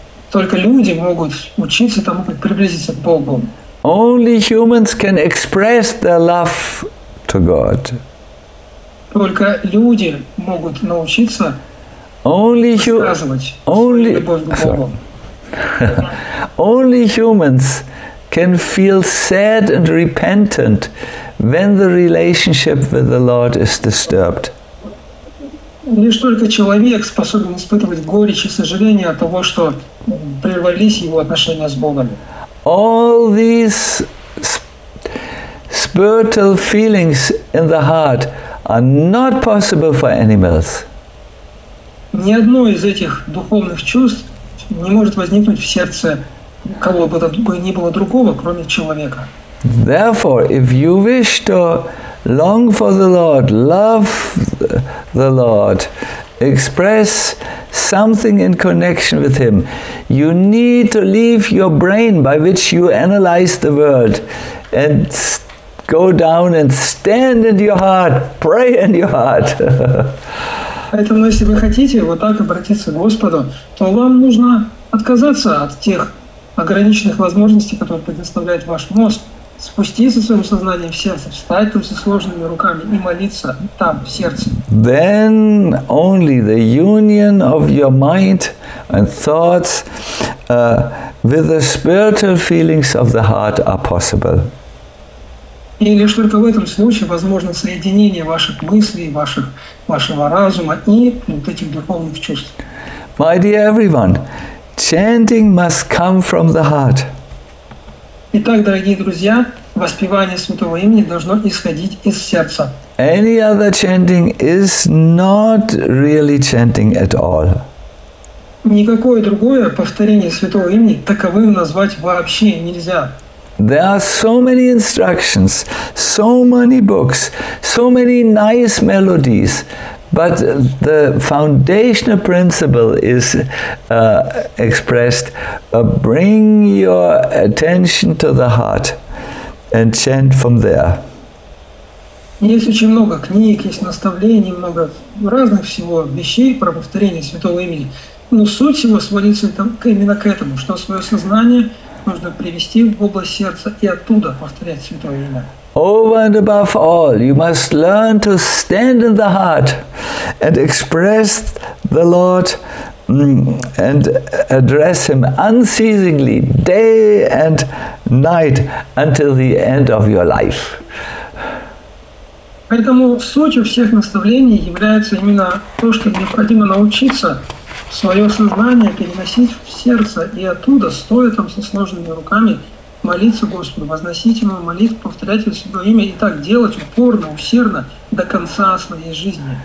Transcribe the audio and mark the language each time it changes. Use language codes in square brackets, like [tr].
[ru] Только люди могут учиться тому, как приблизиться к Богу. [en] Only humans can express their love to God. [ru] Только люди могут научиться высказывать любовь к Богу. [en] Only humans can feel sad and repentant when the relationship with the Lord is disturbed. [ru] Лишь только человек способен испытывать горечь и сожаление от того, что прервались его отношения с Богом. [en] All these spiritual feelings in the heart are not possible for animals. [ru] Ни одно из этих духовных чувств не может возникнуть в сердце кого бы то ни было другого, кроме человека. [en] Therefore, if you wish to long for the Lord, love the Lord, express something in connection with Him, you need to leave your brain by which you analyze the world and go down and stand in your heart, pray in your heart. [ru] Поэтому, если вы хотите вот так обратиться к Господу, то вам нужно отказаться от тех ограниченных возможностей, которые предоставляет ваш мозг. Спуститься в своем сознании в сердце, встать там со сложными руками и молиться там, в сердце. [en] Then only the union of your mind and thoughts with the spiritual feelings of the heart are possible. [ru] И лишь только в этом случае возможно соединение ваших мыслей, вашего разума и вот этих духовных чувств. [en] My dear everyone, chanting must come from the heart. [ru] Итак, дорогие друзья, воспевание святого имени должно исходить из сердца. [en] Any other chanting is not really chanting at all. [ru] Никакое другое повторение святого имени таковым назвать вообще нельзя. [en] There are so many instructions, so many books, so many nice melodies, but the foundational principle is expressed, bring your attention to the heart and chant from there. [ru] Есть очень много книг, есть наставлений, много разных всего вещей про повторение святого имени. Но суть всего сводится именно к этому, что свое сознание нужно привести в область сердца и оттуда повторять святое имя. [en] Over and above all, you must learn to stand in the heart and express the Lord and address Him unceasingly day and night until the end of your life. [ru] Поэтому суть всех наставлений является именно то, что необходимо научиться свое сознание переносить в сердце и оттуда, стоя там со сложными руками, молиться Господу, возносить Ему молитву, повторять Его Святое Имя и так делать упорно, усердно до конца своей жизни.